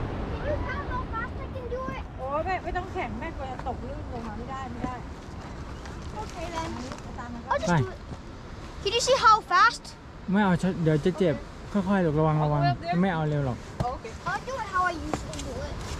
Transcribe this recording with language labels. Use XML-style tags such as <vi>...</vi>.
<en>Can you tell how fast I can do it?</en> <th>โอ้แม่ไม่ต้องแข็งแม่กลัวจะตกลื่นลงมาไม่ได้ไม่ได้</th> <en>Okay then. I'll just do it. Can you see how fast?</en> <th>ไม่เอาเดี๋ยวจะเจ็บค่อยๆระวังระวังไม่เอาเร็วหรอก</th> <en>I'll do it how I usually do it.</en>